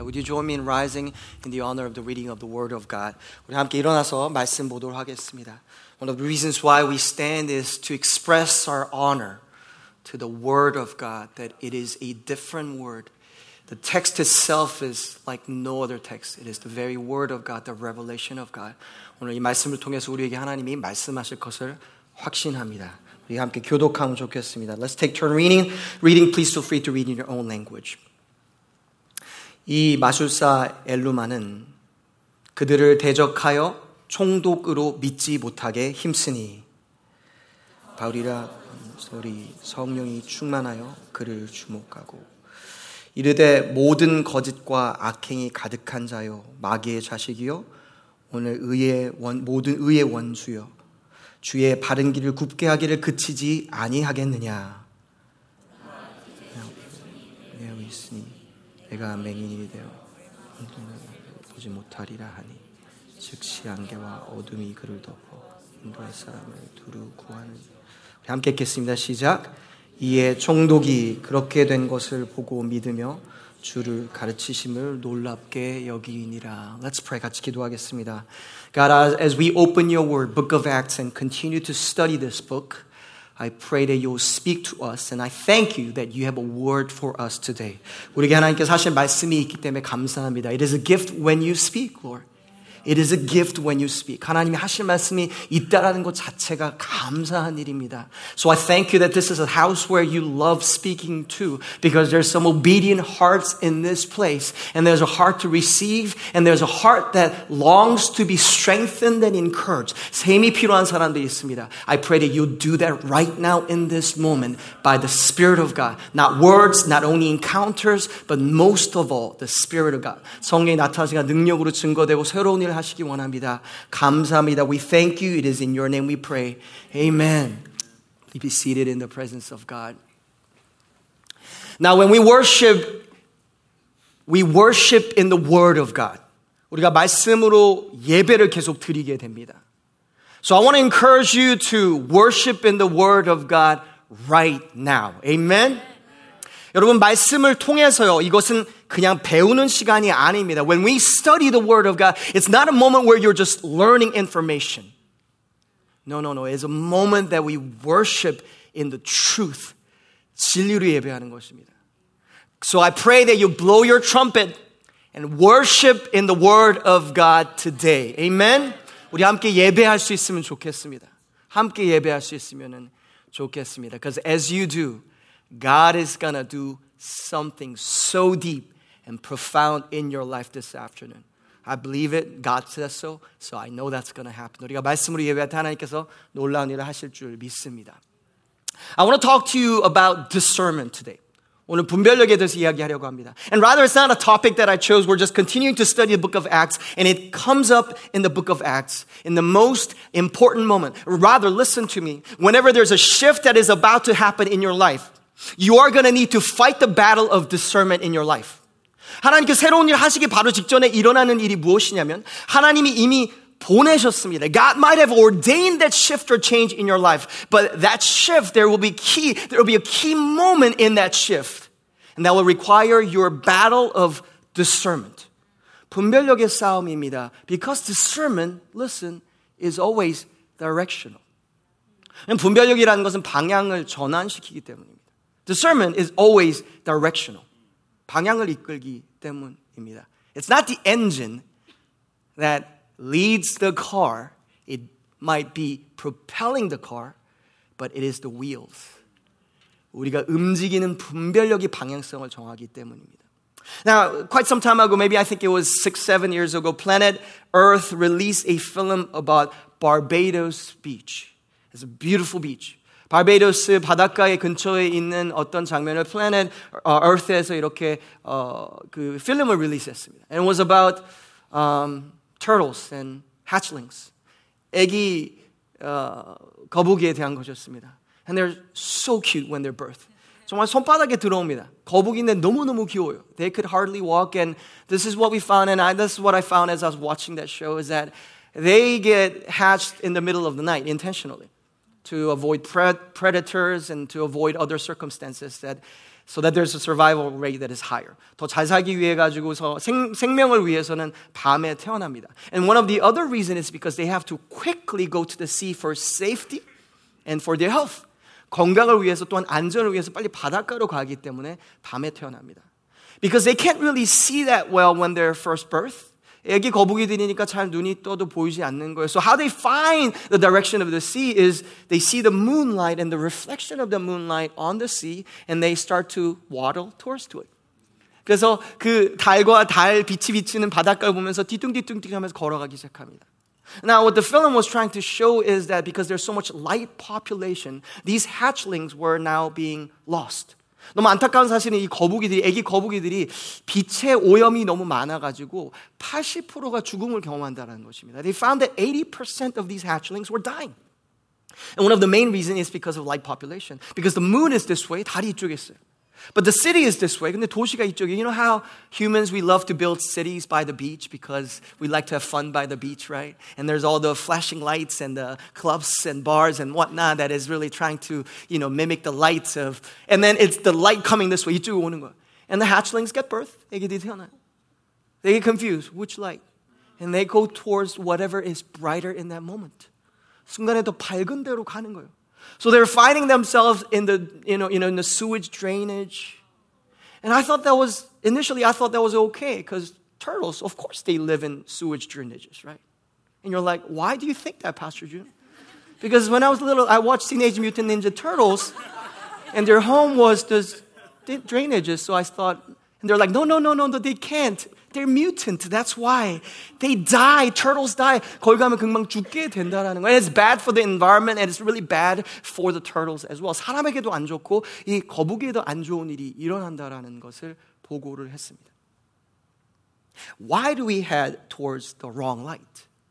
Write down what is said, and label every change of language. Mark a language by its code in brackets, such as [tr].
[en] Would you join me in rising in the honor of the reading of the word of God? [ko] 우리 함께 일어나서 말씀 보도록 하겠습니다. [en] One of the reasons why we stand is to express our honor to the word of God, that it is a different word. The text itself is like no other text. It is the very word of God, the revelation of God. [ko] 오늘 이 말씀을 통해서 우리에게 하나님이 말씀하실 것을 확신합니다. 우리 함께 교독하면 좋겠습니다. [en] Let's take turn reading. Reading, please feel free to read in your own language. [ko] 이 마술사 엘루마는 그들을 대적하여 총독으로 믿지 못하게 힘쓰니 바울이라 소리 성령이 충만하여 그를 주목하고 이르되 모든 거짓과 악행이 가득한 자여 마귀의 자식이여 오늘 의의 원, 모든 의의 원수여 주의 바른 길을 굽게 하기를 그치지 아니하겠느냐 내가 있으니 내가 맹인이 되어 보지 못하리라 하니 즉시 안개와 어둠이 그를 덮어 인도할 사람을 두루 구하는 함께 읽겠습니다. 시작. 이에 총독이 그렇게 된 것을 보고 믿으며 주를 가르치심을 놀랍게 여기니라. [en] Let's pray. [ko] 같이 기도하겠습니다. [en] God, as we open your word, book of Acts, and continue to study this book, I pray that you'll speak to us, and I thank you that you have a word for us today. [ko] 우리에게 하나님께서 하신 말씀이 있기 때문에 감사합니다. [en] It is a gift when you speak, Lord. It is a gift when you speak. [ko] 하나님이 하실 말씀이 있다라는 것 자체가 감사한 일입니다. [en] So I thank you that this is a house where you love speaking to because there's some obedient hearts in this place and there's a heart to receive and there's a heart that longs to be strengthened and encouraged. [ko] 샘이 필요한 사람도 있습니다. [en] I pray that you'll do that right now in this moment by the Spirit of God. Not words, not only encounters, but most of all, the Spirit of God. [ko] 성령이 나타나시니까 능력으로 증거되고 새로운 하시기 원합니다. 감사합니다. [en] We thank you. It is in your name we pray. Amen. You be seated in the presence of God. Now, when we worship in the Word of God. [ko] 우리가 말씀으로 예배를 계속 드리게 됩니다. [en] So I want to encourage you to worship in the Word of God right now. Amen. [ko] 여러분 말씀을 통해서요. 이것은 그냥 배우는 시간이 아닙니다. [en] When we study the word of God, it's not a moment where you're just learning information. No, no, no. It's a moment that we worship in the truth. [ko] 진리를 예배하는 것입니다. [en] So I pray that you blow your trumpet and worship in the word of God today. Amen. [ko] 우리 함께 예배할 수 있으면 좋겠습니다. 함께 예배할 수 있으면 좋겠습니다. [en] Because as you do, God is going to do something so deep and profound in your life this afternoon. I believe it. God says so. So I know that's going to happen. [ko] 우리가 말씀으로 예배할 때 하나님께서 놀라운 일을 하실 줄 믿습니다. [en] I want to talk to you about discernment today. [ko] 오늘 분별력에 대해서 이야기하려고 합니다. [en] And rather, it's not a topic that I chose. We're just continuing to study the book of Acts. And it comes up in the book of Acts in the most important moment. Rather, listen to me. Whenever there's a shift that is about to happen in your life, you are going to need to fight the battle of discernment in your life. [ko] 하나님께서 새로운 일 하시기 바로 직전에 일어나는 일이 무엇이냐면 하나님이 이미 보내셨습니다. [en] God might have ordained that shift or change in your life, but that shift, there will be a key moment in that shift, and that will require your battle of discernment. [ko] 분별력의 싸움입니다. [en] Because discernment, listen, is always directional. [ko] 분별력이라는 것은 방향을 전환시키기 때문입니다. [en] Discernment is always directional. [ko] 방향을 이끌기 때문입니다. [en] It's not the engine that leads the car. It might be propelling the car, but it is the wheels. [ko] 우리가 움직이는 분별력이 방향성을 정하기 때문입니다. [en] Now, quite some time ago, maybe I think it was 6-7 years ago, Planet Earth released a film about Barbados Beach. It's a beautiful beach. [ko] 바베도스 바닷가에 근처에 있는 어떤 장면을 Planet Earth에서 이렇게 그 필름을 릴리스했습니다. [en] And it was about turtles and hatchlings. [ko] 애기 거북이에 대한 것이었습니다. [en] And they're so cute when they're birthed. [ko] 정말 손바닥에 들어옵니다. 거북이인데 너무너무 귀여워요. [en] They could hardly walk and this is what we found and this is what I found as I was watching that show is that they get hatched in the middle of the night intentionally. To avoid predators and to avoid other circumstances that so that there's a survival rate that is higher. [ko] 더 잘 살기 위해 가지고서 생명을 위해서는 밤에 태어납니다. [en] And one of the other reasons is because they have to quickly go to the sea for safety and for their health. [ko] 건강을 위해서 또한 안전을 위해서 빨리 바닷가로 가기 때문에 밤에 태어납니다. [en] Because they can't really see that well when they're first birth. [ko] 애기 거북이들이니까 잘 눈이 떠도 보이지 않는 거예요. [en] So how they find the direction of the sea is they see the moonlight and the reflection of the moonlight on the sea and they start to waddle towards to it. [ko] 그래서 그 달과 달 빛이 비치는 바닷가를 보면서 뒤뚱뒤뚱뒤뚱 하면서 걸어가기 시작합니다. [en] Now what the film was trying to show is that because there's so much light population, these hatchlings were now being lost. [ko] 너무 안타까운 사실은 이 거북이들이, 애기 거북이들이 빛의 오염이 너무 많아가지고 80%가 죽음을 경험한다는 것입니다. [en] They found that 80% of these hatchlings were dying. And one of the main reasons is because of light population. Because the moon is this way, [ko] 달이 이쪽에 있어요. [en] But the city is this way, [ko] 근데 도시가 이쪽이에요. [en] You know how humans, we love to build cities by the beach because we like to have fun by the beach, right? And there's all the flashing lights and the clubs and bars and whatnot that is really trying to, you know, mimic the lights of, and then it's the light coming this way, [ko] 이쪽으로 오는 거예요. [en] And the hatchlings get birth, [ko] 애기들이 태어나요. [en] They get confused, which light? And they go towards whatever is brighter in that moment. [ko] 순간에 더 밝은 데로 가는 거예요. [en] So they're finding themselves in the, you know, in the sewage drainage. And I thought that was, initially I thought that was okay, because turtles, of course they live in sewage drainages, right? And you're like, why do you think that, Pastor June? Because when I was little, I watched Teenage Mutant Ninja Turtles, and their home was those drainages, so I thought, and they're like, no, they can't. They're mutant, that's why. They die, turtles die. [ko] 거기 가면 금방 죽게 된다라는 거예요. [en] It's bad for the environment and it's really bad for the turtles as well. [ko] 사람에게도 안 좋고 이 거북이에도 안 좋은 일이 일어난다라는 것을 보고를 했습니다. [en] Why do we head towards the wrong light?